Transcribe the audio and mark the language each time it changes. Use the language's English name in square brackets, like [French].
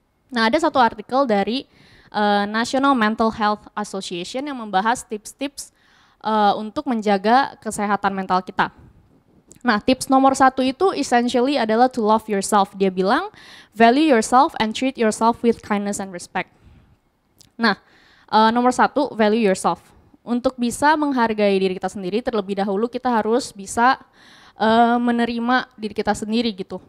[Indonesian] Nah, ada satu artikel dari National Mental Health Association yang membahas tips-tips untuk menjaga kesehatan mental kita. Nah, tips nomor satu itu essentially adalah [English] to love yourself. Dia bilang, value yourself and treat yourself with kindness and respect. [Indonesian] Nah, nomor satu, [English] value yourself. [Indonesian] Untuk bisa menghargai diri kita sendiri, terlebih dahulu kita harus bisa menerima diri kita sendiri gitu.